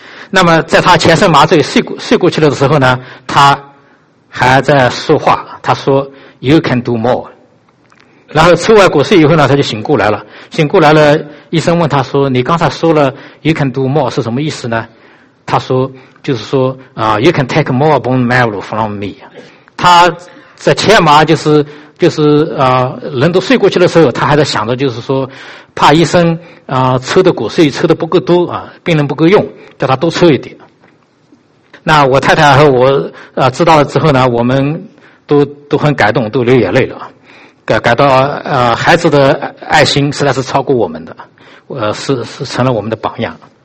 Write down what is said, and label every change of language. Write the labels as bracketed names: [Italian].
[Chinese] 那么在他全身麻醉睡过去了的时候呢，他还在说话，他说 [English] You can do more。 [Chinese] 然后抽完骨髓以后呢，他就醒过来了。醒过来了，医生问他说，你刚才说了 [English] You can do more [Chinese] 是什么意思呢？他说就是说 [English] You can take more bone marrow from me。 [Chinese] 他在前麻就是人都睡过去的时候，他还在想着，就是说怕医生抽的骨髓抽的不够多啊，病人不够用，叫他多抽一点。那我太太和我知道了之后呢，我们都很感动，都流眼泪了，感到孩子的爱心实在是超过我们的，是成了我们的榜样。